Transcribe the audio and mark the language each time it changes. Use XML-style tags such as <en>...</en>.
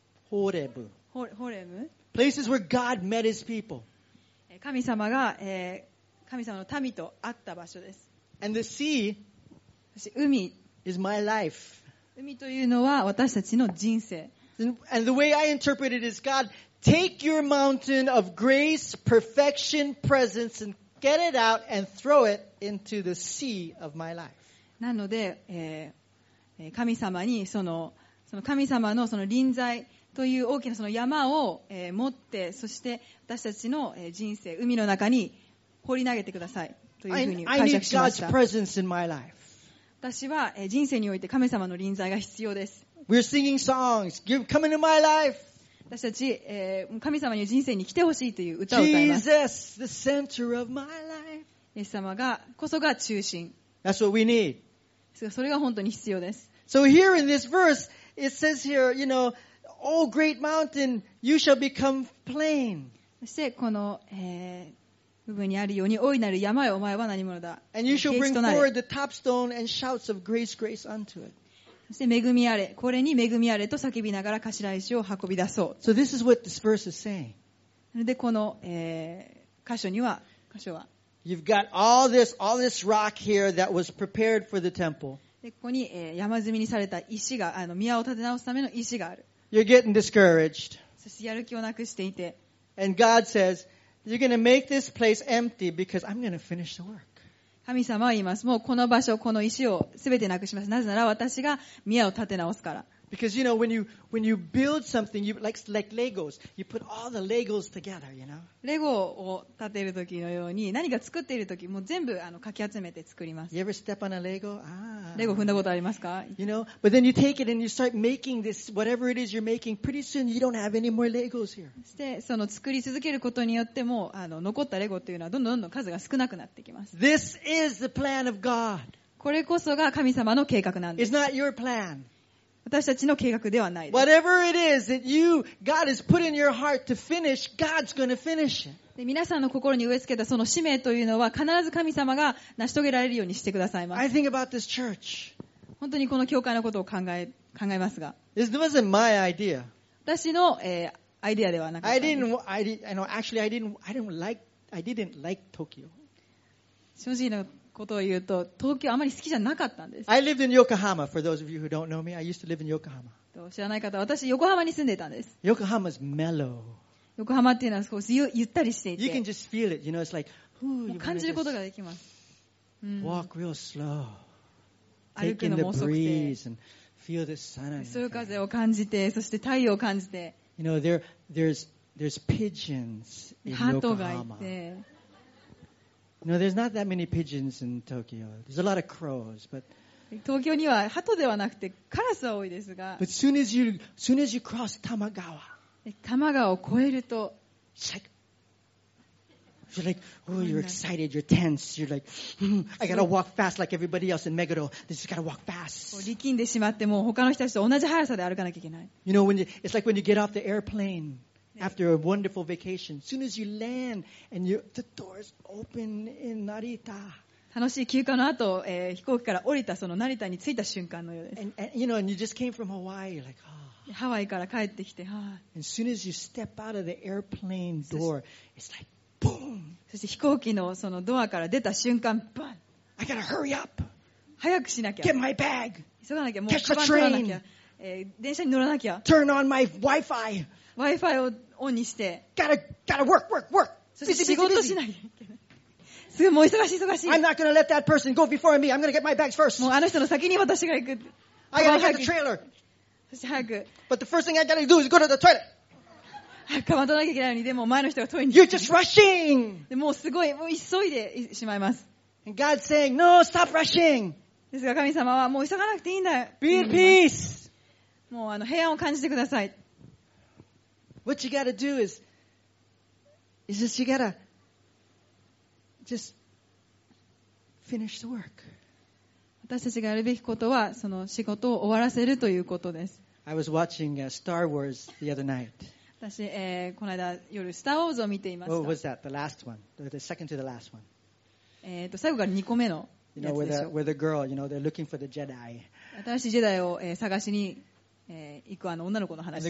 <en>Horeb、 places where God met His people。</en> <ja>神様が、神様の民と会った場所です。</ja> <en>And the sea is my life.</en> <ja>海というのは私たちの人生。</ja> <en>And the way I interpret it is, God, take your mountain of grace, perfection, presence, and get it out and throw it into the sea of my life.</en> <ja>なので、神様にその神様のその臨在という大きなその山を、持って、そして私たちの人生、海の中に放り投げてください。</ja> <en>I need God's presence in my life.</en> <ja>私は人生において神様の臨在が必要です。</ja> <en>We're singing songs. Come into my life.</en> <ja>私たち神様に人生に来てほしいという歌を歌います。</ja> <en>Jesus, the center of my life.</en> <ja>イエス様がこそが中心。</ja> <en>That's what we need.</en> <ja>それが本当に必要です。</ja> <en>So here in this verse, it says here, you know, O great mountain, you shall become plain.</en> <ja>そしてこの部分にあるように大いなる山よお前は何者だ</ja> <en>And you shall bring forward the top stone and shouts of grace, grace unto it.</en> <ja>そして恵みあれこれに恵みあれと叫びながら頭石を運び出そう</ja> <en>So this is what this verse is saying.</en> <ja>でこの、箇所には、箇所は。</ja> <en>You've got all this rock here that was prepared for the temple.</en> <ja>で、ここに、山積みにされた石が、宮を建て直すための石がある。</ja> <en>You're getting discouraged.</en> <ja>そしてやる気をなくしていて。</ja> <en>And God says, you're going to make this place empty because I'm going to finish the work.</en> <ja>神様は言います。もうこの場所、この石をすべてなくします。なぜなら私が宮を建て直すから。</ja> <en>Because, you know, when you build something, you, like Legos, you put all the Legos together, you know?</en> <ja>レゴを建てるときのように、何か作っているとき、もう全部かき集めて作ります。</ja> <en>You ever step on a Lego?</en> <ja>レゴ踏んだことありますか?</ja> <en>You know? But then you take it and you start making this, whatever it is you're making, pretty soon you don't have any more Legos here.</en> <ja>そして、その作り続けることによっても、残ったレゴというのはどんどんどんどん数が少なくなってきます。</ja> <en>This is the plan of God.</en> <ja>これこそが神様の計画なんです。</ja> <en>It's not your plan.</en> <ja>私たちの計画ではないです。</ja> <en>Whatever it is that you, God has put in your heart to finish, God's going to finish it.</en> <ja>で、皆さんの心に植え付けたその使命というのは必ず神様が成し遂げられるようにしてくださいます。</ja> <en>I think about this church.</en> <ja>本当にこの教会のことを考えますが。</ja> <en>It wasn't my idea.</en> <ja>私の、アイデアではなかったんです。</ja> <en>I didn't like Tokyo.</en> <ja>正直なことを言うと、東京あまり好きじゃなかったんです。</ja> <en>I lived in Yokohama. For those of you who don't know me, I used to live in Yokohama.</en> <ja>知らない方、私横浜に住んでいたんです。</ja> <en>Yokohama is mellow.</en> <ja>横浜っていうのは少しゆったりしていて、</ja> <en>You can just feel it. You know, it's like,</en> <ja>もう感じることができます。</ja> <en>Walk real slow.</en> <ja>歩くのも遅くて、</ja> <en>feel the sun.</en> <ja>そよ風を感じて、そして太陽を感じて。</ja> <en>You know, there's pigeons in Yokohama.</en> <ja>ハトがいて。</ja> <en>No, there's not that many pigeons in Tokyo. There's a lot of crows, but.</en> <ja>東京には鳩ではなくてカラスは多いですが。</ja> <en>But soon as you cross Tamagawa.</en> <ja>多摩川を越えると。</ja> <en>You're like, oh, you're excited, you're tense, you're like, I gotta walk fast like everybody else in Meguro. They just gotta walk fast.</en> <ja>力んでしまってもう他の人たちと同じ速さで歩かなきゃいけない。</ja> <en>You know, it's like when you get off the airplane. After a wonderful vacation, soon as you land and the doors open in Narita.</en> <ja>楽しい休暇の後、飛行機から降りたその成田に着いた瞬間のようです。</ja> <en>And you just came from Hawaii, you're like,</en> <ja>ハワイから帰ってきて、</ja> <en>And soon as you step out of the airplane door, it's like, boom!</en> <ja>そして飛行機のそのドアから出た瞬間、バン</ja> <en>I gotta hurry up!</en> <ja>早くしなきゃ。</ja> <en>Get my bag!</en> <ja>急がなきゃ、もうカバン取らなきゃ。</ja> <en>Catch the train!</en> <ja>電車に乗らなきゃ。</ja> <en>Turn on my Wi-Fi.</en> <ja>Wi-Fi をオンにして。</ja> <en>Gotta work.</en> <ja>そして仕事しない。すぐもう忙しい。</ja> <en>I'm not gonna let that person go before me. I'm gonna get my bags first.</en> <ja>もうあの人の先に私が行く。</ja> <en>I gotta get the trailer.</en> <ja>そして早く。</ja> <en>But the first thing I gotta do is go to the toilet.</en> <ja>早く待たなきゃいけないのに、でも前の人がトイレに。</ja> <en>You're just rushing.</en> <ja>でもうすごい、もう急いでしまいます。</ja> <en>And God's saying, No, stop rushing.</en> <ja>ですが神様はもう急がなくていいんだよ。</ja> <en>Be at peace.</en> <ja>もう平安を感じてください。</ja> <en>What you gotta do is just you gotta just finish the work.</en> <ja>私たちがやるべきことはその仕事を終わらせるということです。</ja> <en>I was watching Star Wars the other night.</en> <ja>私、この間夜スターウォーズを見ていました。</ja> <en>What was that? The last one, the second to the last one.</en> <ja>最後から2個目のやつ。</ja> <en>You know where the girl, you know they're looking for the Jedi.</en> <ja>新しいジェダイを、探しに。行くあの女の子の話で。</ja>